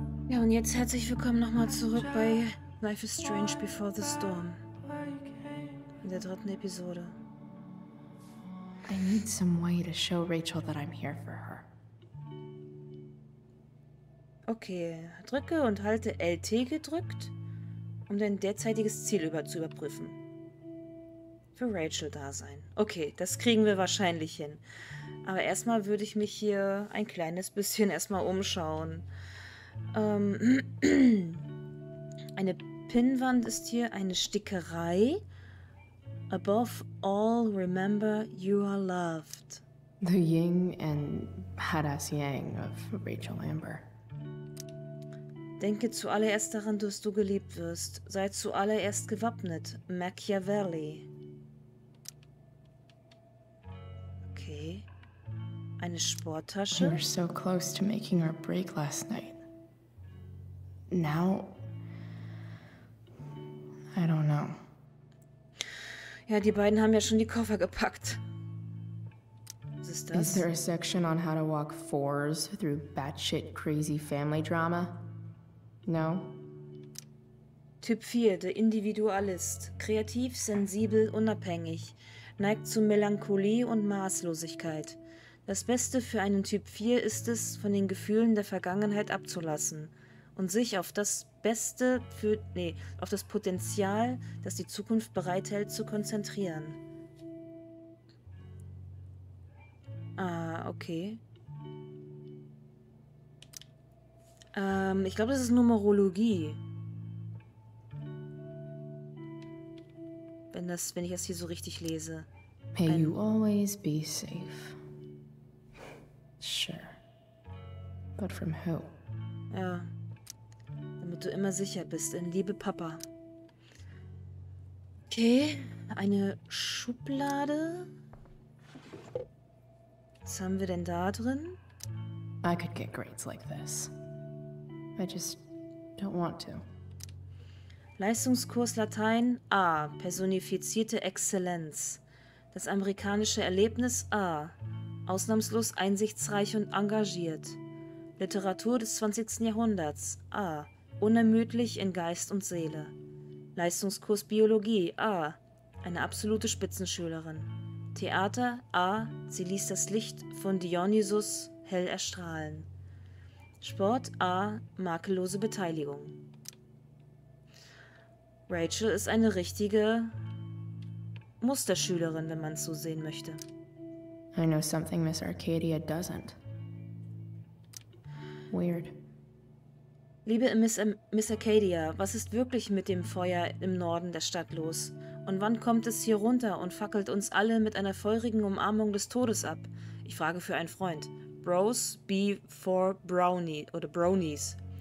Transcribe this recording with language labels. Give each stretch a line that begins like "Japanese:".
German: Und jetzt herzlich willkommen nochmal zurück bei Life is Strange Before the Storm. In der dritten Episode.
English: I need some way to show Rachel that I'm here for her.
German: Okay, drücke und halte LT gedrückt, um dein derzeitiges Ziel zu überprüfen. Für Rachel da sein. Okay, das kriegen wir wahrscheinlich hin. Aber erstmal würde ich mich hier ein kleines bisschen erstmal umschauen. Eine Pinnwand ist hier, eine Stickerei.
English: Above all, remember you are loved. The yin and badass yang of Rachel Amber.
German: Denke zuallererst daran, dass du geliebt wirst. Sei zuallererst gewappnet. Machiavelli. Okay. Eine Sporttasche.
English: We were so close to making our break last night. Now, I don't know.
German: Ja, die beiden haben ja schon die Koffer gepackt. Was ist das?
English: Is there a section on how to walk fours through batshit crazy family drama? No.
German: Typ 4, der Individualist. Kreativ, sensibel, unabhängig. Neigt zu Melancholie und Maßlosigkeit. Das Beste für einen Typ 4 ist es, von den Gefühlen der Vergangenheit abzulassen und sich auf das Beste für, nee, auf das Potenzial, das die Zukunft bereithält, zu konzentrieren. Ah, okay. Ich glaube, das ist Numerologie. Wenn ich das hier so richtig lese.
English: May you always be safe. Sure. But from who?
German: Ja. Damit du immer sicher bist, in liebe Papa. Okay, eine Schublade. Was haben wir denn da drin?
English: I could get grades like this. I just don't want to.
German: Leistungskurs Latein A. Personifizierte Exzellenz. Das amerikanische Erlebnis A. Ausnahmslos einsichtsreich und engagiert. Literatur des 20. Jahrhunderts A. Unermüdlich in Geist und Seele. Leistungskurs Biologie A. Eine absolute Spitzenschülerin. Theater A. Sie ließ das Licht von Dionysus hell erstrahlen. Sport A, makellose Beteiligung. Rachel ist eine richtige Musterschülerin, wenn man es so sehen möchte.
English: I know something Miss Arcadia doesn't. Weird.
German: Liebe Miss Arcadia, was ist wirklich mit dem Feuer im Norden der Stadt los? Und wann kommt es hier runter und fackelt uns alle mit einer feurigen Umarmung des Todes ab? Ich frage für einen Freund. Bros B for Brownie oder Brownies.